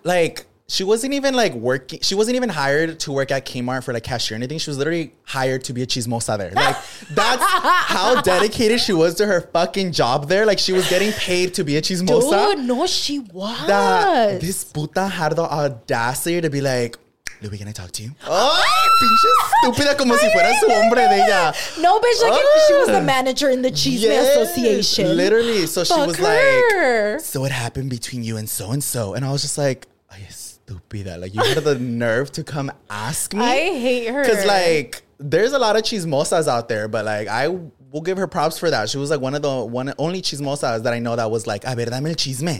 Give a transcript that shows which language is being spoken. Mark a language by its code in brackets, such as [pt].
[en] Like, she wasn't even, like, working. She wasn't even hired to work at Kmart for, like, cashier or anything. She was literally hired to be a chismosa there. Like, that's how dedicated she was to her fucking job there. Like, she was getting paid to be a chismosa. Dude, no, she was. That this puta had the audacity to be like, Louie, can I talk to you? [es] Oh, pinche estúpida como si fuera su hombre de ella. [en] No, bitch, like, she was the manager in the Chisme Association. Literally. So fuck she was her. Like, so what happened between you and so-and-so? And I was just like, stupida. Like, you had the nerve to come ask me? I hate her. Because, like, there's a lot of chismosas out there, but, like, I will give her props for that. She was, like, one of the one only chismosas that I know that was, like, [es] a ver, dame el chisme.